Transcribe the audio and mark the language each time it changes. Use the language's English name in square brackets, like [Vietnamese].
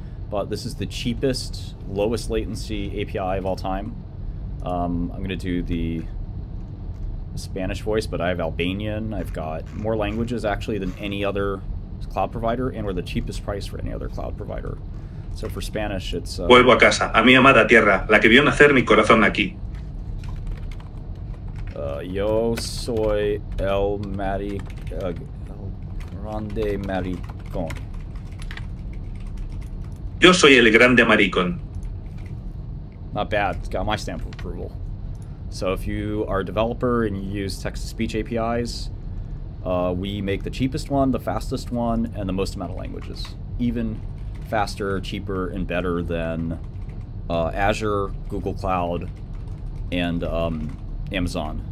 [English] But this is the cheapest, lowest latency API of all time. I'm going to do the Spanish voice, but I have Albanian. I've got more languages, actually, than any other cloud provider, and we're the cheapest price for any other cloud provider. So for Spanish, it's... [Spanish] Vuelvo a casa, a mi amada tierra, la que vio nacer mi corazón aquí. Yo soy el el grande maricón. Yo soy el grande maricón. [English] Not bad, it's got my stamp of approval. So if you are a developer and you use text-to-speech APIs, we make the cheapest one, the fastest one, and the most amount of languages. Even faster, cheaper, and better than Azure, Google Cloud, and Amazon.